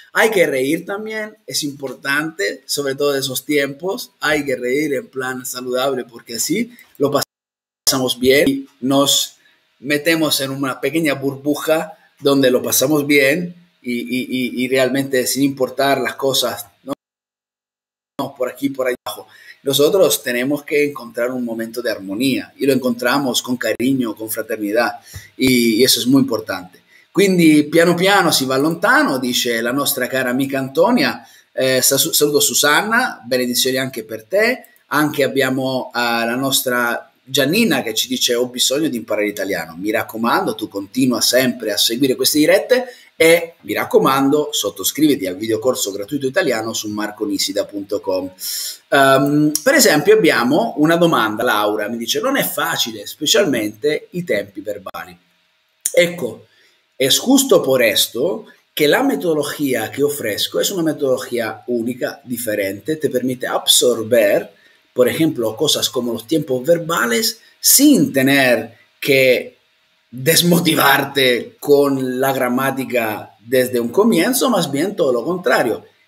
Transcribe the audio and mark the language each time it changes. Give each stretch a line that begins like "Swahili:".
Spanish: Hay que reír también, es importante, sobre todo de esos tiempos, hay que reír en plan saludable, porque así lo pasamos bien, nos metemos en una pequeña burbuja donde lo pasamos bien y realmente sin importar las cosas, ¿no? Por aquí, por allá abajo. Nosotros tenemos que encontrar un momento de armonía y lo encontramos con cariño, con fraternidad, y eso es muy importante.
Italian: Quindi piano piano si va lontano, dice la nostra cara amica Antonia. Saluto Susanna, benedizioni anche per te. Anche abbiamo la nostra Giannina che ci dice ho bisogno di imparare l'italiano. Mi raccomando, tu continua sempre a seguire queste dirette e mi raccomando, sottoscriviti al videocorso gratuito italiano su marconisida.com. Per esempio abbiamo una domanda, Laura mi dice non è facile, specialmente i tempi verbali. Ecco.
Spanish: Es justo por esto que la metodología que ofrezco es una metodología única, diferente, te permite absorber, por ejemplo, cosas como los tiempos verbales sin tener que desmotivarte con la gramática desde un comienzo, más bien todo lo contrario.